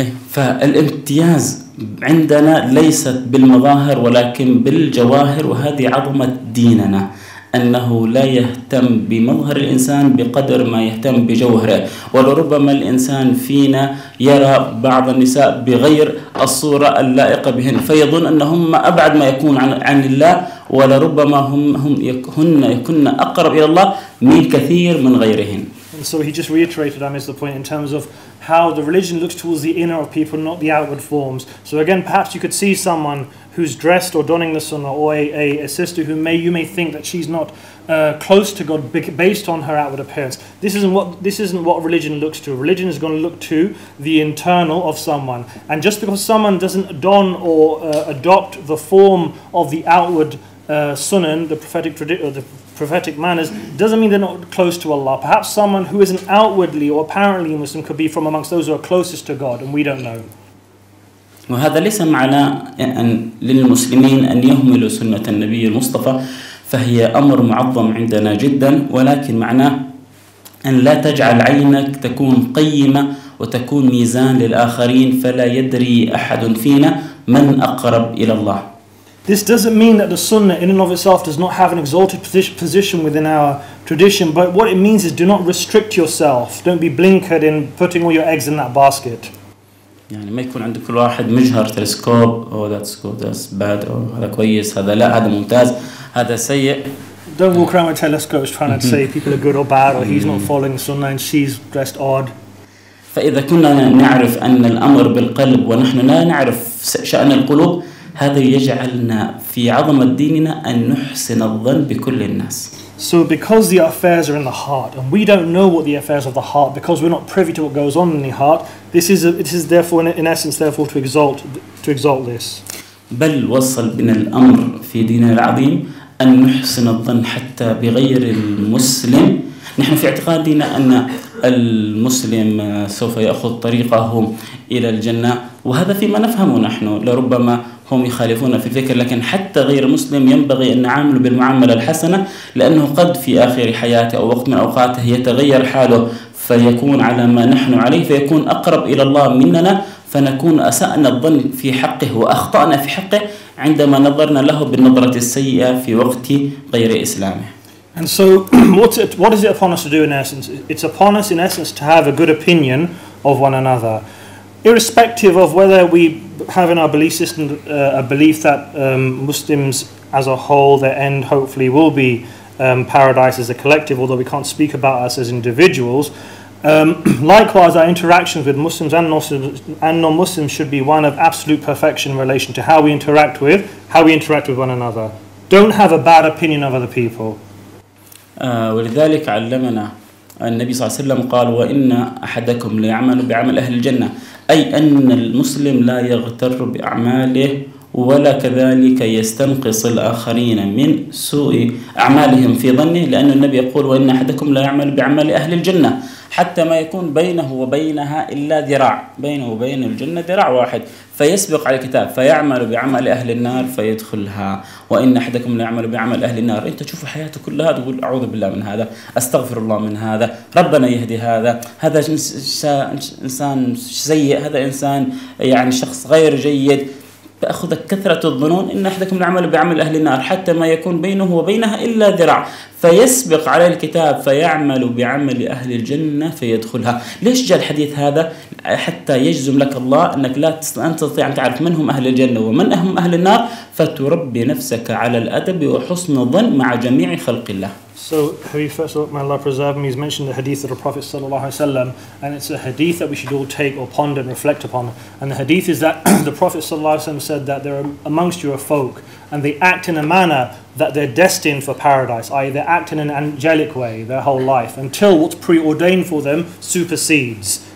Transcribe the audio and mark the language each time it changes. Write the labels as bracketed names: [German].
[Arabic] فالامتياز عندنا ليست بالمظاهر ولكن بالجواهر، وهذه عظمة ديننا أنه لا يهتم بمظهر الإنسان بقدر ما يهتم بجوهره. ولربما الإنسان فينا يرى بعض النساء بغير الصورة اللائقة بهن، فيظن أنهم أبعد ما يكون عن الله، ولربما هن يكن أقرب إلى الله من كثير من غيرهن. [English] And so he just reiterated, I missed the point, in terms of how the religion looks towards the inner of people, not the outward forms. So again, perhaps you could see someone who's dressed or donning the sunnah, or a sister who may you may think that she's not close to God based on her outward appearance. This isn't what religion looks to. Religion is going to look to the internal of someone. And just because someone doesn't don or adopt the form of the outward sunan, the prophetic tradition, the prophetic manners, doesn't mean they're not close to Allah. Perhaps someone who isn't outwardly or apparently Muslim could be from amongst those who are closest to God, and we don't know. [Arabic] وهذا ليس معنى أن للمسلمين أن يهملوا سنة النبي المصطفى فهي أمر معظم عندنا جدا ولكن معناه أن لا تجعل عينك تكون قيمة وتكون ميزان للآخرين فلا يدري أحد فينا من أقرب إلى الله. [English] This doesn't mean that the sunnah in and of itself does not have an exalted position within our tradition, but what it means is do not restrict yourself. Don't be blinkered in putting all your eggs in that basket. [Arabic] يعني ما يكون عند كل واحد مجهر تلسكوب أو [English] that's good, that's bad, [Arabic] أو هذا كويس, هذا لا, هذا ممتاز, هذا سيء. [English] Don't walk around with telescopes trying to say people are good or bad, or he's not following the sunnah and she's dressed odd. [Arabic] فإذا كنا نعرف أن الأمر بالقلب ونحن لا نعرف شأن القلوب, هذا يجعلنا في عظمة ديننا أن نحسن الظن بكل الناس. [English] So because the affairs are in the heart, and we don't know what the affairs of the heart, because we're not privy to what goes on in the heart, this is therefore, in essence, to exalt, this. [Arabic] بل وصل بنا الأمر في ديننا العظيم أن نحسن الظن حتى بغير المسلم. نحن في اعتقادنا أن المسلم سوف يأخذ طريقه إلى الجنة, وهذا فيما نفهمه نحن. لربما هم يخالفون في الفكر, لكن حتى غير مسلم ينبغي أن نعامله بالمعاملة الحسنة, لأنه قد في آخر حياته أو وقت من أوقاته يتغير حاله فيكون على ما نحن عليه, فيكون أقرب إلى الله مننا, فنكون أسأنا الظن في حقه وأخطأنا في حقه عندما نظرنا له بالنظرة السيئة في وقت غير إسلامه. [English] And so what is it upon us to do in essence? It's upon us in essence to have a good opinion of one another. Irrespective of whether we have in our belief system a belief that Muslims as a whole, their end hopefully will be paradise as a collective, although we can't speak about us as individuals. Likewise, our interactions with Muslims and non-Muslims should be one of absolute perfection in relation to how we interact with one another. Don't have a bad opinion of other people. [Arabic] ولذلك علمنا النبي صلى الله عليه وسلم قال وإن أحدكم ليعمل بعمل أهل الجنة, أي أن المسلم لا يغتر بأعماله ولا كذلك يستنقص الآخرين من سوء أعمالهم في ظنه, لأن النبي يقول وإن أحدكم ليعمل بعمل أهل الجنة حتى ما يكون بينه وبينها إلا ذراع, بينه وبين الجنة ذراع واحد, فيسبق على الكتاب فيعمل بعمل أهل النار فيدخلها, وإن أحدكم ليعمل بعمل أهل النار. أنت تشوف حياته كلها تقول أعوذ بالله من هذا, أستغفر الله من هذا, ربنا يهدي هذا, هذا إنسان سيء, هذا إنسان يعني شخص غير جيد, فأخذك كثرة الظنون إن أحدكم ليعمل بعمل أهل النار حتى ما يكون بينه وبينها إلا ذراع فيسبق على الكتاب فيعمل بعمل أهل الجنة فيدخلها. ليش جاء الحديث هذا؟ حتى يجزم لك الله أنك لا تستطيع أن تعرف من هم أهل الجنة ومن هم أهل النار, فتربي نفسك على الأدب وحسن الظن مع جميع خلق الله. [English] So Habib Faisal, may Allah preserve him, he's mentioned the hadith of the Prophet sallallahu alaihi wasallam, and it's a hadith that we should all take or ponder and reflect upon. And the hadith is that the Prophet sallallahu alaihi wasallam said that there are amongst you a folk, and they act in a manner that they're destined for paradise, i.e. they act in an angelic way their whole life, until what's preordained for them supersedes.